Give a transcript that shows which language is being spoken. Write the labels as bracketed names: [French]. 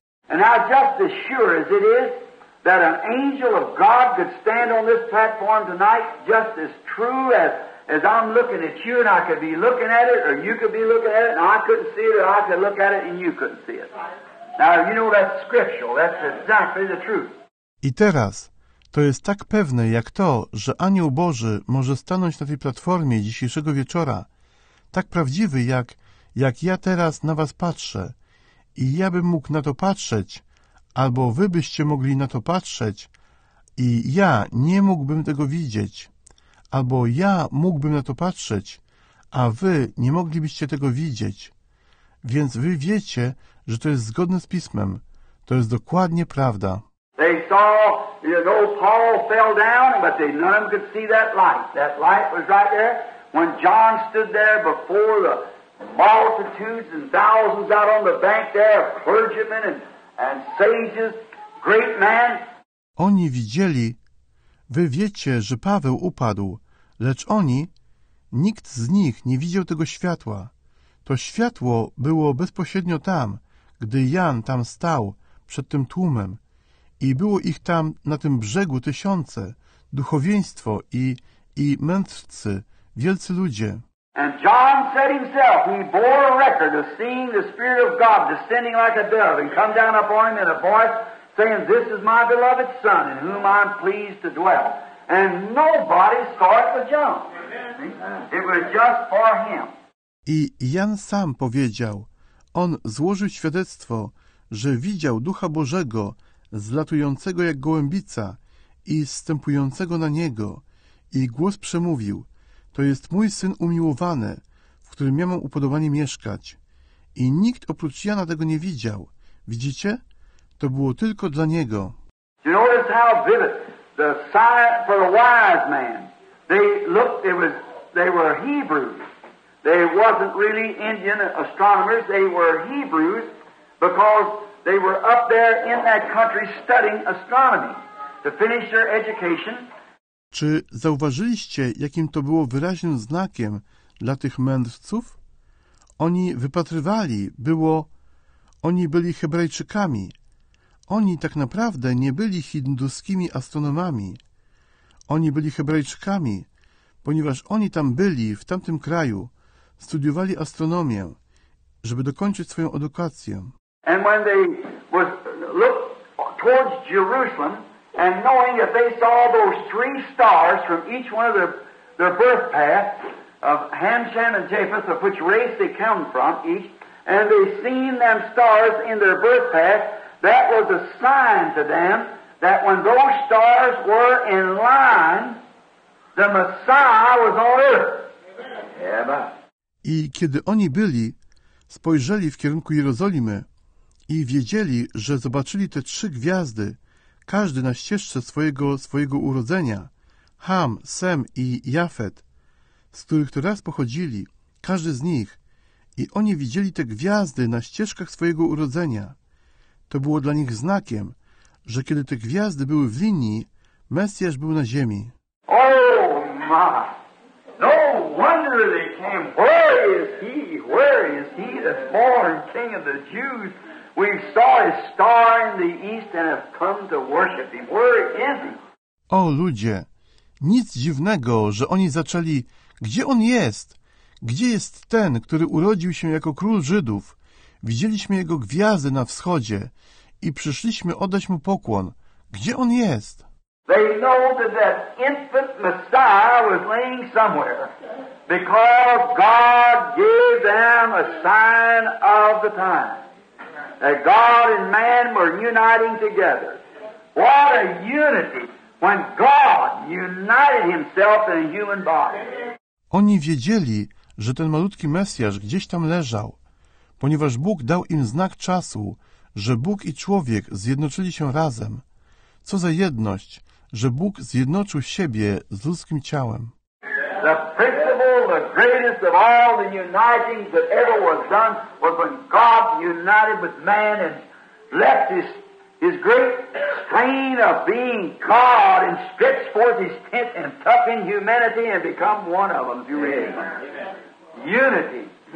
[English] And now just as sure as it is that an angel of God could stand on this platform tonight, just as true as I'm looking at you and I could be looking at it, or you could be looking at it and I couldn't see it, or I could look at it and you couldn't see it. Now you know that's scriptural, that's exactly the truth. [Polish] I teraz to jest tak pewne jak to, że anioł Boży może stanąć na tej platformie dzisiejszego wieczora, tak prawdziwy jak ja teraz na was patrzę. I ja bym mógł na to patrzeć, albo wy byście mogli na to patrzeć, i ja nie mógłbym tego widzieć, albo ja mógłbym na to patrzeć, a wy nie moglibyście tego widzieć. Więc wy wiecie, że to jest zgodne z Pismem. To jest dokładnie prawda. [English] They saw, you know, Paul fell down, but they none of them could see that light. That light was right there. When John stood there before the multitudes and thousands out on the bank there, clergymen and sages, great man. [Polish] Oni widzieli, wy wiecie, że Paweł upadł, lecz oni, nikt z nich nie widział tego światła. To światło było bezpośrednio tam, gdy Jan tam stał przed tym tłumem. I było ich tam na tym brzegu tysiące, duchowieństwo i mędrcy, wielcy ludzie. [English] And John said himself, he bore a record of seeing the Spirit of God descending like a dove and come down upon him in a voice saying, this is my beloved Son in whom I'm pleased to dwell. And nobody saw it but John. It was just for him. [Polish] I Jan sam powiedział, on złożył świadectwo, że widział Ducha Bożego zlatującego jak gołębica i zstępującego na niego, i głos przemówił, to jest mój Syn umiłowany, w którym ja mam upodobanie mieszkać. I nikt oprócz Jana tego nie widział. Widzicie? To było tylko dla niego. [English] You notice how vivid the sign for the wise man. They looked, they were Hebrews. They wasn't really Indian astronomers, they were Hebrews because they were up there in that country studying astronomy to finish their education. [Polish] Czy zauważyliście, jakim to było wyraźnym znakiem dla tych mędrców? Oni wypatrywali, było... Oni byli Hebrajczykami. Oni tak naprawdę nie byli hinduskimi astronomami. Oni byli Hebrajczykami, ponieważ oni tam byli, w tamtym kraju, studiowali astronomię, żeby dokończyć swoją edukację. [English] And when they looked towards Jerusalem, and knowing that they saw those three stars from each one of their birth path of Ham, Shem, and Japheth, of which race they come from, each, and they seen them stars in their birth path, that was a sign to them that when those stars were in line, the Messiah was on earth. Amen. [Polish] I kiedy oni byli, spojrzeli w kierunku Jerozolimy i wiedzieli, że zobaczyli te trzy gwiazdy, każdy na ścieżce swojego urodzenia, Ham, Sem i Jafet, z których to raz pochodzili, każdy z nich, i oni widzieli te gwiazdy na ścieżkach swojego urodzenia. To było dla nich znakiem, że kiedy te gwiazdy były w linii, Mesjasz był na ziemi. [English] Oh my! No wonder they came. Where is he? Where is he, the foreign king of the Jews? We saw his star in the east and have come to worship him. Where is he? [Polish] O ludzie, nic dziwnego, że oni zaczęli, gdzie on jest? Gdzie jest ten, który urodził się jako król Żydów? Widzieliśmy jego gwiazdy na wschodzie i przyszliśmy oddać mu pokłon. Gdzie on jest? [English] They know that that infant Messiah was laying somewhere because God gave them a sign of the time. That God and man were uniting together. What a unity when God united himself in a human body. [Polish] Oni wiedzieli, że ten malutki Mesjasz gdzieś tam leżał, ponieważ Bóg dał im znak czasu, że Bóg i człowiek zjednoczyli się razem. Co za jedność, że Bóg zjednoczył siebie z ludzkim ciałem. [English] The principle, the greatest of all the uniting that ever was done was when God united with man and left his great strain of being God and stretched forth his tent and tucked in humanity and become one of them. Amen. Unity.